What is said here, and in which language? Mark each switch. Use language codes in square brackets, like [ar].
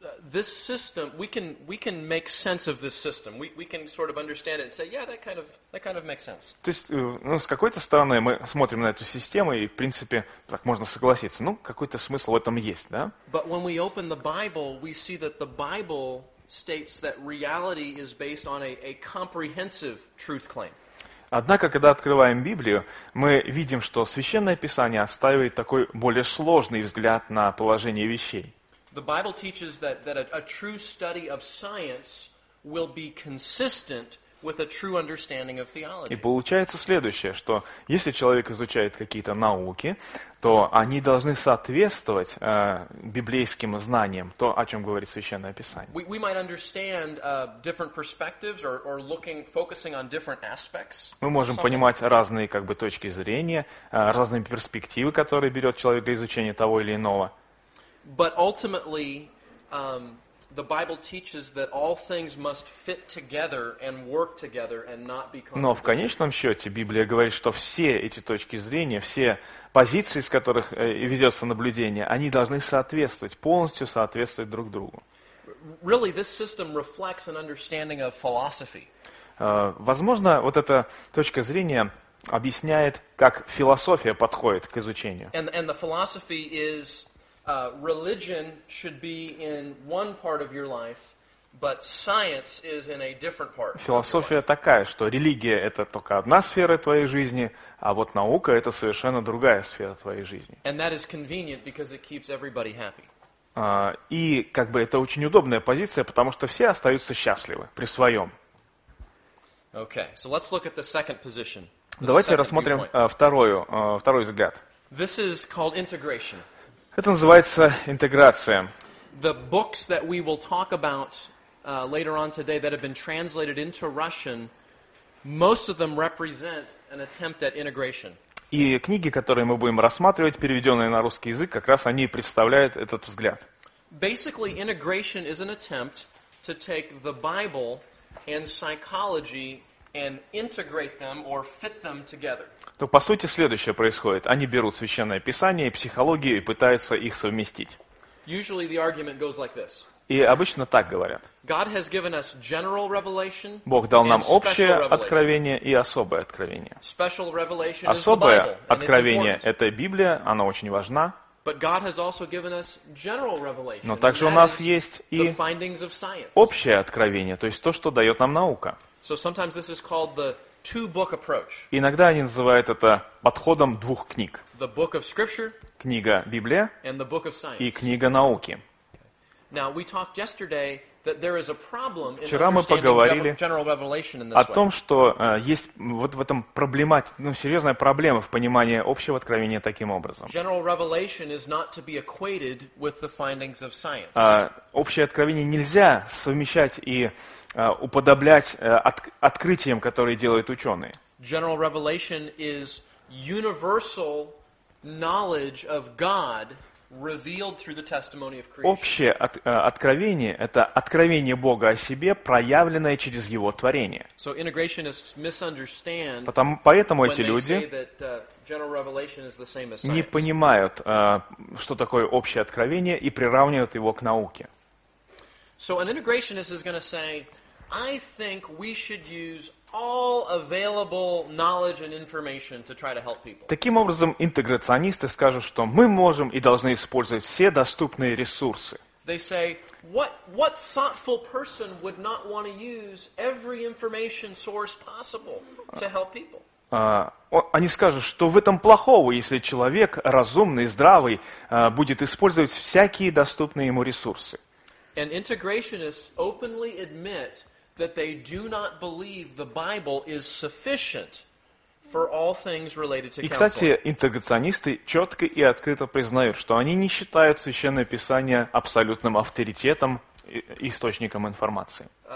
[en] This system, we can make sense of this system. We can sort of understand it and say, yeah, that kind of makes sense. [ru] То есть, ну, с какой-то стороны мы смотрим на эту систему и, в принципе, так можно согласиться. Ну, какой-то смысл в этом есть, да? [en] But when we open the Bible, we see that the Bible states that reality is based on a comprehensive truth claim. [ru] Однако, когда открываем Библию, мы видим, что Священное Писание отстаивает такой более сложный взгляд на положение вещей. [en] The Bible teaches that a true study of science will be consistent with a true understanding of theology. [ru] И получается следующее, что если человек изучает какие-то науки, то они должны соответствовать библейским знаниям, то, о чем говорит Священное Писание. [en] We might understand different perspectives or looking, focusing on different aspects. [ru] Мы можем понимать разные как бы точки зрения, разные перспективы, которые берет человек для изучения того или иного. [en] But ultimately, the Bible teaches that all things must fit together and work together and not be contradictory. [ru] Но в конечном счете Библия говорит, что все эти точки зрения, все позиции, с которых ведется наблюдение, они должны соответствовать, полностью соответствовать друг другу. [en] Really, this system reflects an understanding of philosophy. [ru] Возможно, вот эта точка зрения объясняет, как философия подходит к изучению. [en] And the philosophy is... religion should be in one part of your life, but science is in a different part. [ru] Философия такая, что религия это только одна сфера твоей жизни, а вот наука это совершенно другая сфера твоей жизни. [en] And that is convenient because it keeps everybody happy. [ru] И как бы это очень удобная позиция, потому что все остаются счастливы при своем. [en] Okay, so let's look at the second position. [ru] Давайте рассмотрим второй взгляд. [en] This is called integration. [ru] Это называется интеграция. [en] The books that we will talk about later on today that have been translated into Russian, most of them represent an attempt at integration. [ru] И книги, которые мы будем рассматривать, переведенные на русский язык, как раз они представляют этот взгляд. [en] Basically, integration is an attempt to take the Bible and psychology and integrate them or fit them together. [ru] То по сути следующее происходит. Они берут Священное Писание и психологию и пытаются их совместить. [en] Usually the argument goes like this. [ru] И обычно так говорят. [en] God has given us general revelation. [ru] Бог дал нам общее откровение и особое откровение. [en] Special revelation [ru] особое [en] is the Bible, [ru] откровение – это Библия, она очень важна. [en] But God has also given us general revelation. [ru] Но также у нас есть и общее откровение, то есть то, что дает нам наука. [en] So sometimes this is called the two-book approach. [ru] Иногда они называют это подходом двух книг. [en] The book of scripture. [ru] Книга Библия. [en] And the book of science. [ru] И книга науки. [en] Now we talked yesterday that there is a problem in understanding general revelation in this way. [ru] О том, что есть вот в этом серьезная проблема в понимании общего откровения таким образом. [en] General revelation is not to be equated with the findings of science. [ru] Общее откровение нельзя совмещать и уподоблять открытиям, которые делают ученые. [en] General revelation is universal knowledge of God revealed through the testimony of creation. [ru] Общее откровение – это откровение Бога о себе, проявленное через Его творение. [en] So integrationists misunderstand. [ru] Поэтому эти люди [en] general revelation is the same as science. [ru] Не понимают, что такое общее откровение, и приравнивают его к науке. [en] So an integrationist is going to say, I think we should use all available knowledge and information to try to help people. [ru] Таким образом, интеграционисты скажут, что мы можем и должны использовать все доступные ресурсы. [en] They say, what thoughtful person would not want to use every information source possible to help people? [ru] Они скажут, что в этом плохого, если человек разумный, здравый, будет использовать всякие доступные ему ресурсы. [en] And integrationists openly admit that they do not believe the Bible is sufficient for all things related to counseling. [ru] И, кстати, интеграционисты четко и открыто признают, что они не считают Священное Писание абсолютным авторитетом источником информации.